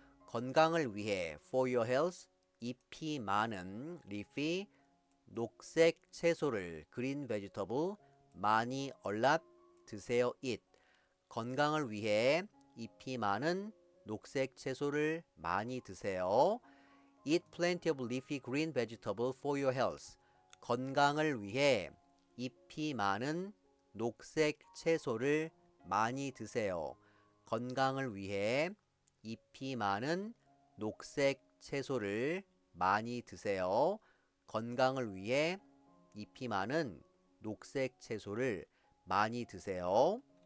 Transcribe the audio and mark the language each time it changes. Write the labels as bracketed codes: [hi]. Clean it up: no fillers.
[ko] 건강을 위해 [en] for your health [ko] 잎이 많은 leafy 녹색 채소를 [en] green vegetable [ko] 많이 얼랏 드세요. It 건강을 위해 잎이 많은 녹색 채소를 많이 드세요. [en] Eat plenty of leafy green vegetable for your health. [ko] 건강을 위해 잎이 많은 녹색 채소를 많이 드세요. 건강을 위해 잎이 많은 녹색 채소를 많이 드세요. 건강을 위해 잎이 많은 녹색 채소를 많이 드세요.